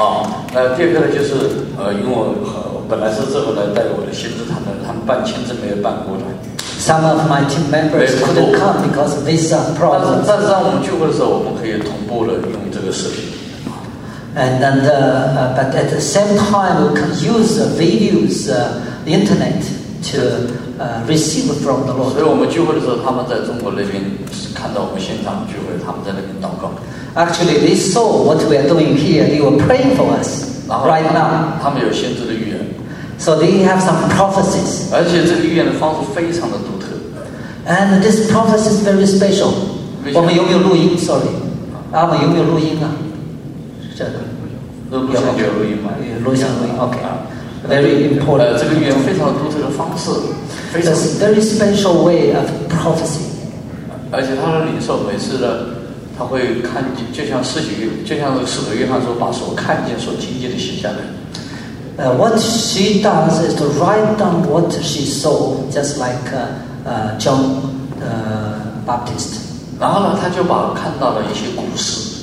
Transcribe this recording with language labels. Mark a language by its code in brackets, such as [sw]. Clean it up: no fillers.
[zh] 啊，那第二个呢，就是因为我本来是这个来带我的先知团的，他们办签证没有办过来。 [en] Some of my team members couldn't come because of visa problems. [zh] 但是在我们聚会的时候，我们可以同步的用这个视频。 [en] But at the same time, we can use the videos, internet to receive from the Lord. [zh] 所以我们聚会的时候，他们在中国那边看到我们现场聚会，他们在那边祷告。 [en] Actually, they saw what we are doing here. They were praying for us right now. [zh] 他们有先知的预言。 [en] So they have some prophecies. [zh] 而且这个预言的方式非常的独特。 [en] And this prophecy is very special. [zh] 我们有没有录音 ？ [en] Sorry, [zh] 阿姆有没有录音啊？是这个。录像有录音吗？录像录音 [en] ，OK。Very important. [zh] 这个语言非常独特的方式，非常 [en] very special way of prophecy. [zh] 而且他的领受每次呢，他会看见，就像使徒，就像使徒约翰说，把所看见、所听见的写下来。 [en] What she does is to write down what she saw, just like John Baptist. [zh] 然后呢，他就把看到的一些故事。